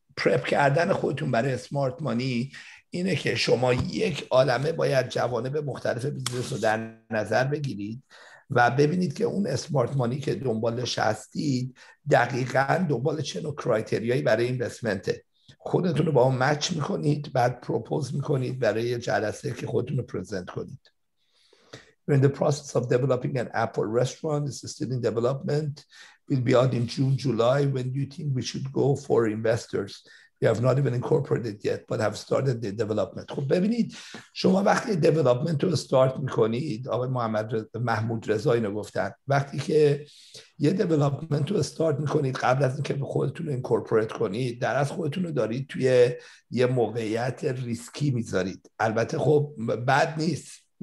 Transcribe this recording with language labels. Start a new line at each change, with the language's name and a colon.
Persian: پرپ کردن خودتون برای سمارت مانی اینه که شما یک عالمه باید جوانب مختلف بیزنس رو در نظر بگیرید و ببینید که اون اسمارت مانی که دنبالش هستید دقیقاً دنبال چه نوع کرایتریایی برای اینوستمنته. خودتون رو با اون مچ میکنید، بعد پروپوز میکنید برای جلسه که خودتون رو پرزنت کنید.
English: We're in the process of developing an app for restaurant. It's still in development. We'll be out in June, July. When do you think we should go for investors? We have not even incorporated yet, but have started the development.
Persian: خب ببینید، شما وقتی development رو start میکنید، آقای محمود رضا اینو گفتن، وقتی که یه development رو start میکنید قبل از اینکه خودتون رو incorporate کنید، در از خودتون رو دارید توی یه موقعیت ریسکی میذارید. البته خب بد نیست،